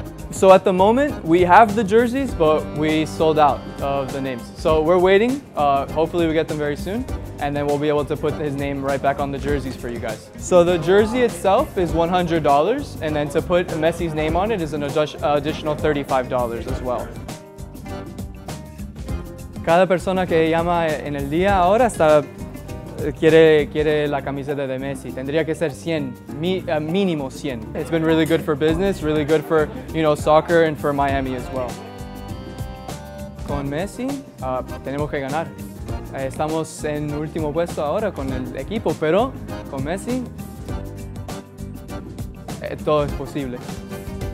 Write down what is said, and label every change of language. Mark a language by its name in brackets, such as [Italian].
[English] So at the moment, we have the jerseys, but we sold out of the names. So we're waiting. Hopefully we get them very soon, and then we'll be able to put his name right back on the jerseys for you guys. So the jersey itself is $100, and then to put Messi's name on it is an additional $35 as well. [Spanish] Cada persona que llama en el día ahora está quiere la camiseta de Messi. Tendría que ser 100, mínimo 100. [English] It's been really good for business, really good for, you know, soccer and for Miami as well. [Spanish] Con Messi, tenemos que ganar. Estamos en último puesto ahora con el equipo, pero con Messi, todo es posible.